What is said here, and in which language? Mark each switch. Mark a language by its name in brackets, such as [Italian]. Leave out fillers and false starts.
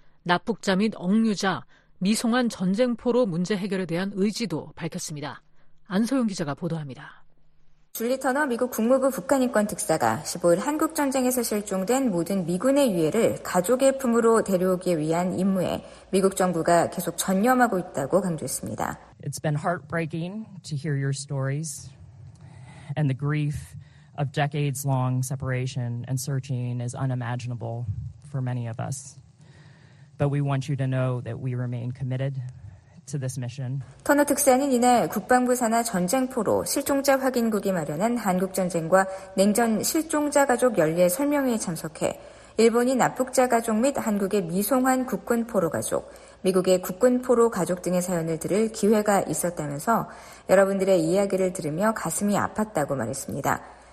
[Korean] 납북자 및 억류자, 미송환 전쟁포로 문제 해결에 대한 의지도 밝혔습니다. 안소영 기자가 보도합니다. 줄리 터너 미국 국무부 북한인권특사가 15일 한국전쟁에서 실종된 모든 미군의 유해를 가족의 품으로 데려오기 위한 임무에 미국 정부가 계속 전념하고 있다고 강조했습니다. [English] It's been heartbreaking to hear your stories and the grief of decades-long separation and searching is unimaginable for many of us. But we want you to know that we remain committed. [Korean] 터너 특사는 이날 국방부 산하 전쟁포로 실종자 확인국이 마련한 한국전쟁과 냉전 실종자 가족 연례 설명회에 참석해 일본인 납북자 가족 및 한국의 미송환 국군포로 가족, 미국의 국군포로 가족 등의 사연을 들을 기회가 있었다면서 여러분들의 이야기를 들으며 가슴이 아팠다고 말했습니다.